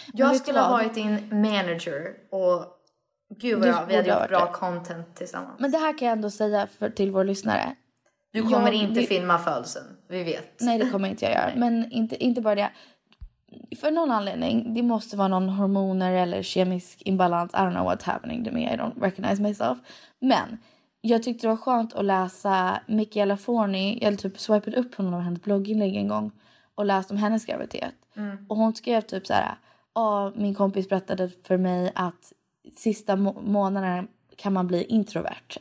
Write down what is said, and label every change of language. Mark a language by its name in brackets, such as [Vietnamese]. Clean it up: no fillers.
[Swedish] Jag skulle ha varit din manager och gud vad vi hade gjort bra det. Content tillsammans. Men det här kan jag ändå säga för, till vår lyssnare. Du kommer inte filma födelsen, vi vet. Nej, det kommer inte jag göra. Men inte bara det. För någon anledning, det måste vara någon hormoner eller kemisk imbalans. [English] I don't know what's happening to me, I don't recognize myself. [Swedish] Men jag tyckte det var skönt att läsa Michaela Forni. Jag typ swipat upp honom av hennes blogginlägg en gång. Och läste om hennes graviditet. Mm. Och hon skrev typ så här: min kompis berättade för mig att sista månaderna kan man bli introvert.